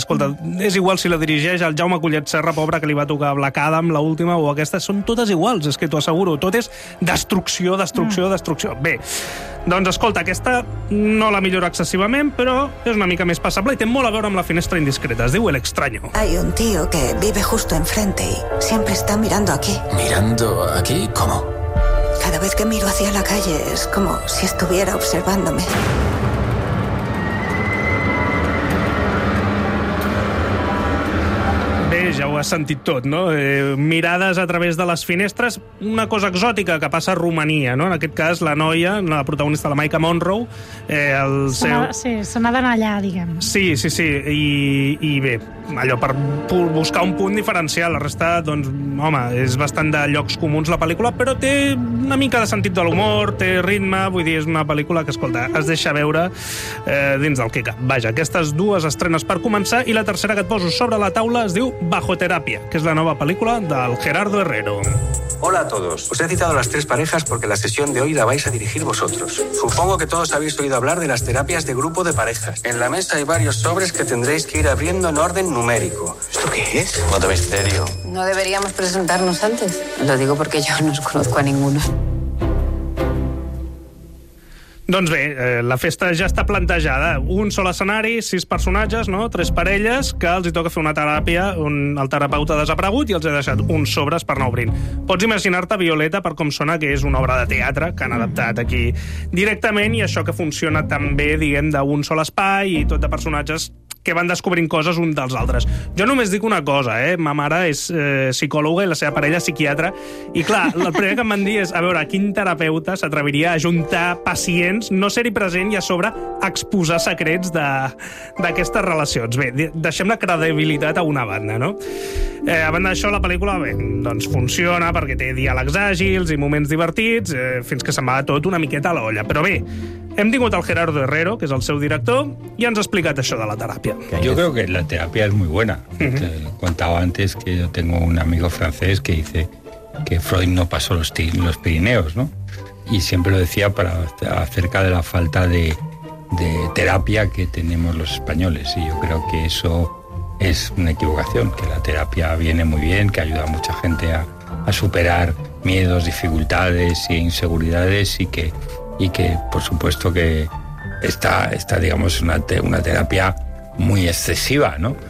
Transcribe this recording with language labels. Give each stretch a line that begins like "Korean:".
Catalan: Escolta, és igual si la dirigeix el Jaume Collet Serra, pobre, que li va tocar Black Adam, l'última, o aquesta. Són totes iguals, és que t'ho asseguro. Tot és destrucció, destrucció, destrucció. Bé, doncs, escolta, aquesta no la millora excessivament, però és una mica més passable i té molt a veure amb La finestra indiscreta. Es diu El extraño.
Spanish: Hay un tío que vive justo enfrente y siempre está mirando aquí. ¿Mirando aquí? ¿Cómo? Cada vez que miro hacia la calle es como si estuviera observándome.
Catalan: Ja ho has sentit tot, no? Mirades a través de les finestres, una cosa exòtica que passa a Romania, no? En aquest cas, la noia, la protagonista, la Maika Monroe, el seu... Se n'ha d'anar allà, diguem. Sí. I bé, allò per buscar un punt diferencial. La resta, doncs, home, és bastant de llocs comuns la pel·lícula, però té una mica de sentit de l'humor, té ritme, vull dir, és una pel·lícula que, escolta, es deixa veure dins del que cap. Vaja, aquestes dues estrenes per començar, i la tercera que et poso sobre la taula es diu Bajo Terapia, que és la nova pel·lícula del Gerardo Herrero.
Spanish: Hola a todos. Os he citado las tres parejas porque la sesión de hoy la vais a dirigir vosotros. Supongo que todos habéis oído hablar de las terapias de grupo de parejas. En la mesa hay varios sobres que tendréis que ir abriendo en orden numérico. ¿Esto qué es? ¿Cuánto misterio? ¿No deberíamos presentarnos antes? Lo digo porque yo no os conozco a ninguno.
Catalan: Doncs bé, la festa ja està plantejada. Un sol escenari, sis personatges, no? Tres parelles, que els hi toca fer una teràpia on el terapeuta ha desaparegut i els ha deixat uns sobres per anar obrint. Pots imaginar-te Violeta per com sona, que és una obra de teatre que han adaptat aquí directament, i això que funciona tan bé, diguem, d'un sol espai i tot de personatges que van descobrint coses un dels altres. Jo només dic una cosa, ma mare és psicòloga i la seva parella psiquiatra, i clar, el primer que em van dir és, a veure, quin terapeuta s'atreviria a ajuntar pacients, no ser-hi present i a sobre exposar secrets d'aquestes relacions. Bé, deixem la credibilitat a una banda, no? A banda d'això, la pel·lícula, bé, doncs funciona perquè té diàlegs àgils i moments divertits, fins que se'n va tot una miqueta a l'olla, però bé, hem tingut el Gerardo Herrero, que és el seu director, i ens ha explicat això de la teràpia.
Spanish: Yo creo que la terapia es muy buena. Contaba antes que yo tengo un amigo francés que dice que Freud no pasó los Pirineos, ¿no? Y siempre lo decía para acerca de la falta de terapia que tenemos los españoles. Y yo creo que eso es una equivocación, que la terapia viene muy bien, que ayuda a mucha gente a superar miedos, dificultades e inseguridades, y que por supuesto que está digamos una terapia muy excesiva, ¿no?